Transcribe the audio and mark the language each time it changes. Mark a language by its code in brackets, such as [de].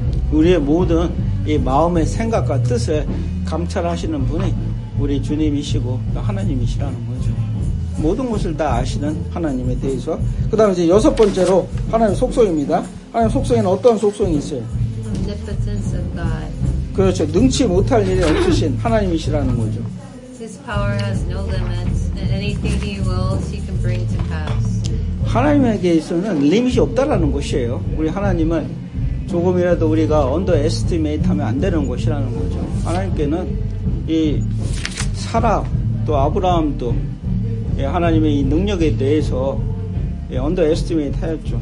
[ko] 우리의 모든 이 마음의 생각과 뜻을 감찰하시는 분이 우리 주님이시고 또 하나님이시라는 거죠. 모든 것을 다 아시는 하나님에 대해서. 그 다음 이제 여섯 번째로 하나님의 속성입니다. 하나님 속성에는 어떤 속성이 있어요? [en] Omnipotence of God. [ko] 그렇죠. 능치 못할 일이 없으신 하나님이시라는 거죠. [en] His power has no limits, and anything he wills, he can bring to pass. [ko] 하나님에게서는 리밋이 없다라는 것이에요. 우리 하나님은 조금이라도 우리가 underestimate 하면 안 되는 것이라는 거죠. 하나님께는 이 사라 또 아브라함도 하나님의 이 능력에 대해서 underestimate 하였죠.